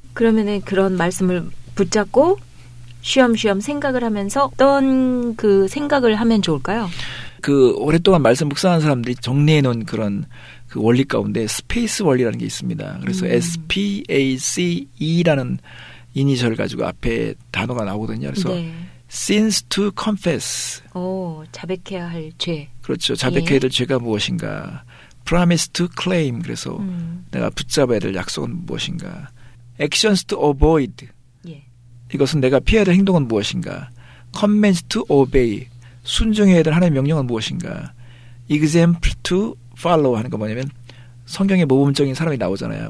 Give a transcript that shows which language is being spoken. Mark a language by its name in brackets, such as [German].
[Korean] 그러면은 그런 말씀을 붙잡고 쉬엄쉬엄 생각을 하면서 어떤 그 생각을 하면 좋을까요? 그 오랫동안 말씀 묵상한 사람들이 정리해 놓은 그런 그 원리 가운데 스페이스 원리라는 게 있습니다. 그래서 SPACE라는 이니셜 가지고 앞에 단어가 나오거든요. 그래서 [English] sins to confess. [Korean] 오, 자백해야 할 죄. 그렇죠. 자백해야 될 죄가 무엇인가? [English] Promise to claim. [Korean] 그래서 내가 붙잡아야 될 약속은 무엇인가? [English] Actions to avoid. [Korean] 예. 이것은 내가 피해야 될 행동은 무엇인가? [English] Commands to obey. [Korean] 순종해야 될 하나님의 명령은 무엇인가? [English] Example to follow [Korean] 하는 거 뭐냐면 성경에 모범적인 사람이 나오잖아요.